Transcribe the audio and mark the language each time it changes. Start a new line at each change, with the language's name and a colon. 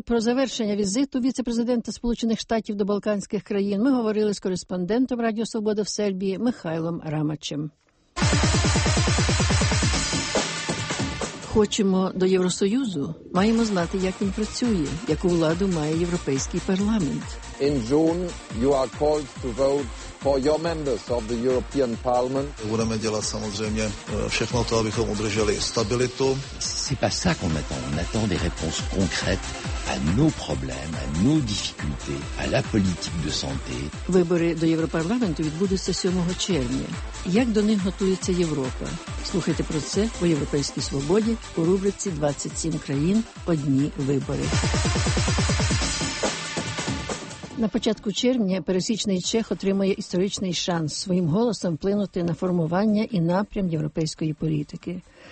Ukrainian: Про завершення візиту віцепрезидента Сполучених Штатів до Балканських країн ми говорили з кореспондентом Радіо Свобода в Сербії Михайлом Рамачем. Хочемо до Євросоюзу? Маємо знати, як він працює, яку владу має Європейський парламент.
English: In June you are called to vote for your members of the European Parliament.
Czech: Budeme dělat samozřejmě všechno to, abychom udrželi stabilitu.
French: C'est pas ça qu'on attend. On attend des réponses concrètes à nos problèmes, à nos difficultés, à la politique de santé.
Ukrainian: Вибори до Європарламенту відбудуться 7 червня. Як до них готується Європа? Слухайте про це у Європейській свободі у рубриці 27 країн одні вибори. На початку червня пересічний чех отримує історичний шанс своїм голосом вплинути на формування і напрям європейської політики.